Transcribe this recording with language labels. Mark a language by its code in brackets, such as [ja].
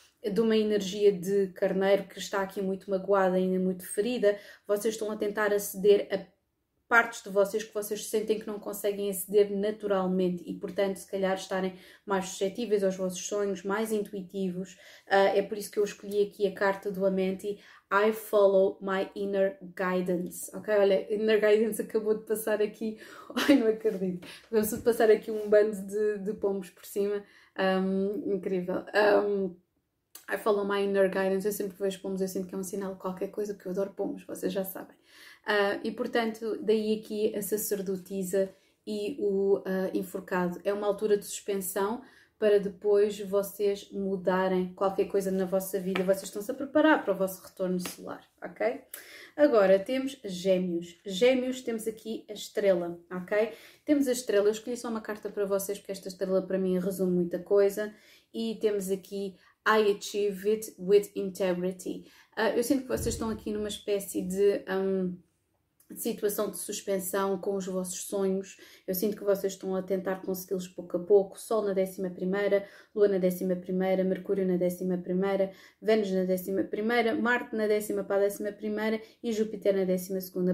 [pt] de uma energia de carneiro que está aqui muito magoada, ainda muito ferida. Vocês estão a tentar aceder a partes de vocês que vocês sentem que não conseguem aceder naturalmente e, portanto, se calhar estarem mais suscetíveis aos vossos sonhos, mais intuitivos. É por isso que eu escolhi aqui a carta do Amenti. [en] I follow my inner guidance. [pt] Ok, olha, inner guidance acabou de passar aqui. Ai, não acredito. Vamos passar aqui um bando de pombos por cima. Incrível. [en] I follow my inner guidance. [pt] Eu sempre vejo pombos, eu sinto que é um sinal de qualquer coisa, porque eu adoro pombos, vocês já sabem. E portanto, daí aqui a sacerdotisa e o enforcado. É uma altura de suspensão para depois vocês mudarem qualquer coisa na vossa vida. Vocês estão-se a preparar para o vosso retorno solar, ok? Agora temos Gêmeos. Gêmeos, temos aqui a estrela, ok? Temos a estrela. Eu escolhi só uma carta para vocês porque esta estrela para mim resume muita coisa. E temos aqui [en] I achieve it with integrity. [pt] Eu sinto que vocês estão aqui numa espécie de situação de suspensão com os vossos sonhos. Eu sinto que vocês estão a tentar consegui-los pouco a pouco. Sol na 11ª, Lua na 11ª, Mercúrio na 11ª, Vênus na 11ª, Marte na 10ª para a 11ª e Júpiter na 12ª.